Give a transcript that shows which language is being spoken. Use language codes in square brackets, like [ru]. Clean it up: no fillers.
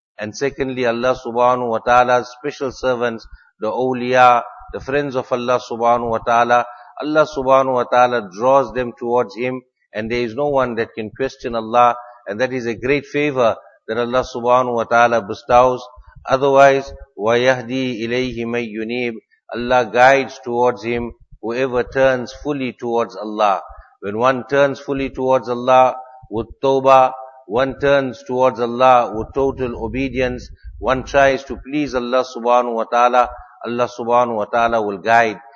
[en] And secondly, Allah subhanahu wa ta'ala's special servants, the awliya, the friends of Allah subhanahu wa ta'ala. Allah subhanahu wa ta'ala draws them towards him, and there is no one that can question Allah. And that is a great favor that Allah subhanahu wa ta'ala bestows. [ar] Otherwise, وَيَهْدِي إِلَيْهِ مَنْ يُنِيبُ. [en] Allah guides towards him whoever turns fully towards Allah. When one turns fully towards Allah with tawbah, one turns towards Allah with total obedience, one tries to please Allah subhanahu wa ta'ala, Allah subhanahu wa ta'ala will guide.